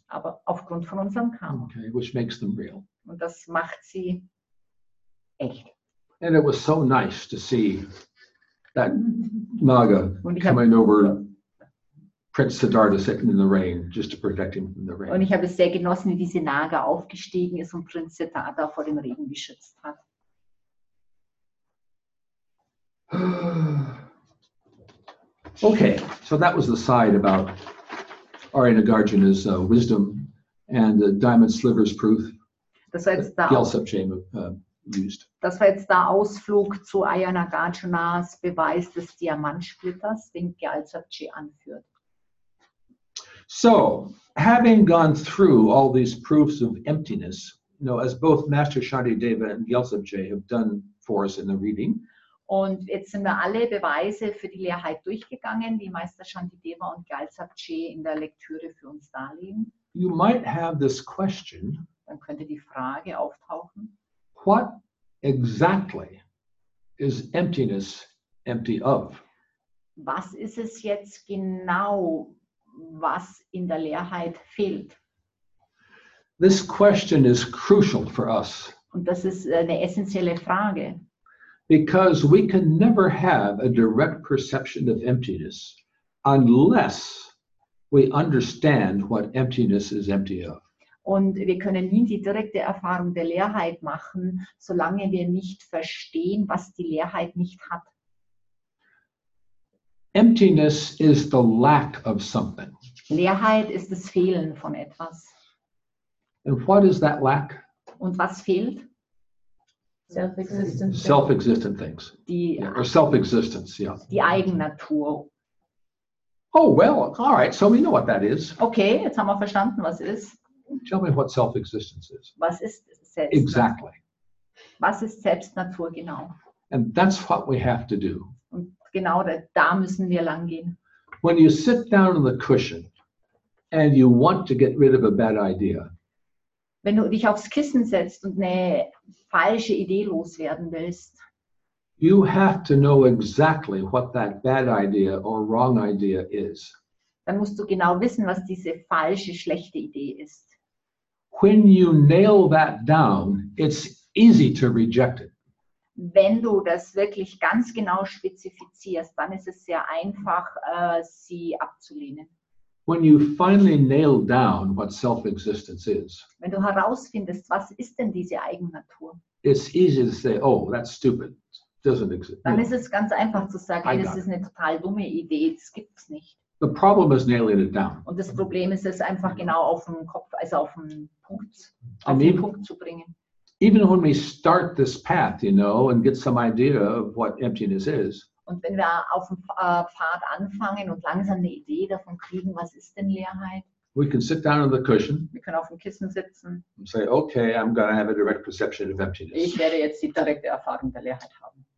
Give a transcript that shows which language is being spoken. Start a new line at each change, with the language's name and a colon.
German: Aber aufgrund von unserem Karma.
English: Okay, which makes them real.
German: Und das macht sie echt.
English: And it was so nice to see that Naga coming over Prince Siddhartha sitting in the rain, just to protect him from the rain.
German: Und ich habe es sehr genossen, wie diese Nager aufgestiegen ist und Prinz Siddhartha vor dem Regen geschützt hat.
English: Okay, so that was the side about Arya Nagarjuna's wisdom and the diamond sliver's proof.
German: Das war jetzt der Ausflug zu Arya Nagarjuna's Beweis des Diamantsplitters, den Gyaltsabje anführt.
English: So, having gone through all these proofs of emptiness, you know, as both Master Shantideva and Gyaltsabje have done for us in the reading,
German: und jetzt sind wir alle Beweise für die Leerheit durchgegangen, die Meister Shantideva und Gyaltsabje in der Lektüre für uns darlegen.
English: You might have this question.
German: Dann könnte die Frage auftauchen.
English: What exactly is emptiness empty of?
German: Was ist es jetzt genau, was in der Leerheit fehlt?
English: This question is crucial for us.
German: Und das ist eine essentielle Frage.
English: Because we can never have a direct perception of emptiness unless we understand what emptiness is empty of.
German: Und wir können nie die direkte Erfahrung der Leerheit machen, solange wir nicht verstehen, was die Leerheit nicht hat.
English: Emptiness is the lack of something.
German: Leerheit ist das Fehlen von etwas.
English: And what is that lack?
German: Und was fehlt?
English: Self-existent things. Self-existence, yeah.
German: Die Eigennatur.
English: Oh, well, all right, so we know what that is.
German: Okay, jetzt haben wir verstanden, was ist.
English: Tell me what self-existence is.
German: Was ist Selbstnatur?
English: Exactly.
German: Was ist Selbstnatur, genau?
English: And that's what we have to do.
German: Genau, da müssen wir lang gehen.
English: When you sit down on the cushion and you want to get rid of a bad idea.
German: Wenn du dich aufs Kissen setzt und eine falsche Idee loswerden willst.
English: You have to know exactly what that bad idea or wrong idea is.
German: Dann musst du genau wissen, was diese falsche, schlechte Idee ist.
English: When you nail that down, it's easy to reject it.
German: Wenn du das wirklich ganz genau spezifizierst, dann ist es sehr einfach, sie abzulehnen.
English: When you finally nail down what self-existence is,
German: wenn du herausfindest, was ist denn diese Eigennatur,
English: it's easy to say, oh, that's stupid. Doesn't exist.
German: Dann ist es ganz einfach zu sagen, das ist eine total dumme Idee, das gibt es nicht.
English: The problem is nailing it down.
German: Und das Problem ist es einfach genau auf den Kopf, also auf den Punkt, auf den Punkt zu bringen.
English: Even when we start this path, you know, and get some idea of what emptiness is.
German: Und wenn wir auf dem Pfad anfangen und langsam eine Idee davon kriegen, was ist denn Leerheit?
English: We can sit down on the cushion.
German: Wir können auf dem Kissen sitzen.
English: And say, okay, I'm going to have a direct perception of emptiness.
German: Ich werde jetzt die direkte Erfahrung der Leerheit haben.